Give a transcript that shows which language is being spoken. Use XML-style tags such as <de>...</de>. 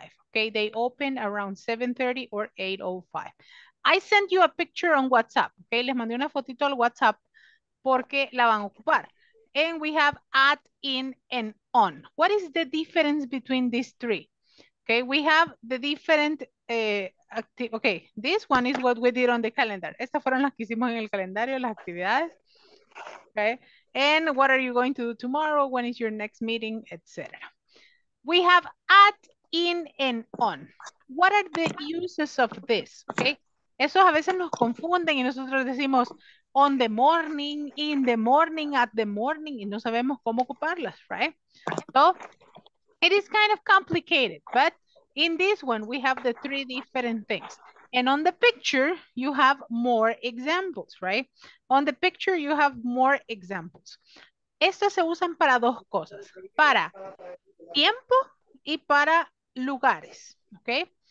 <en>Okay, they open around 7:30 or 8:05. I sent you a picture on WhatsApp.</en> <es>Okay, les mandé una fotito al WhatsApp porque la van a ocupar.</es> <en>And we have at, in, and on. What is the difference between these three? Okay, we have the different activities. Okay, this one is what we did on the calendar.</en> <es>Estas fueron las que hicimos en el calendario, las actividades.</es> <en>Okay, and what are you going to do tomorrow? When is your next meeting, etc. We have at, in, and on. What are the uses of this? Okay,</en> <es>esos a veces nos confunden y nosotros decimos</es> <en>on the morning, in the morning, at the morning,</en> <es>y no sabemos cómo ocuparlas,</es> <en>right? So, it is kind of complicated, but in this one, we have the three different things. And on the picture, you have more examples, right? On the picture, you have more examples.</en> <es>Estas se usan para dos cosas, para tiempo y para lugares, okay?</es>